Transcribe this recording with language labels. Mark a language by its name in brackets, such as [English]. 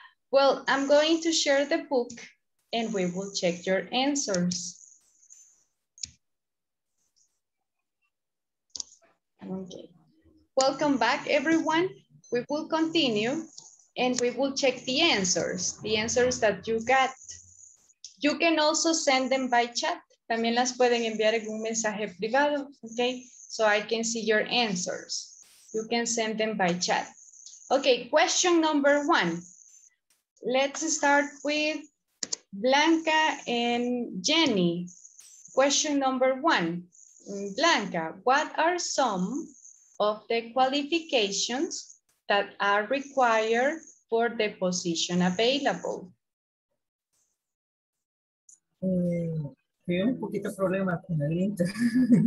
[English] Well, I'm going to share the book and we will check your answers. Okay. Welcome back, everyone. We will continue. And we will check the answers that you got. You can also send them by chat. [Spanish] También las pueden enviar en un mensaje privado, okay? [English] So I can see your answers. You can send them by chat. Okay, question number 1. Let's start with Blanca and Jenny. Question number 1. Blanca, what are some of the qualifications that are required for the position available? [Spanish] Tengo un poquito de problema con el internet.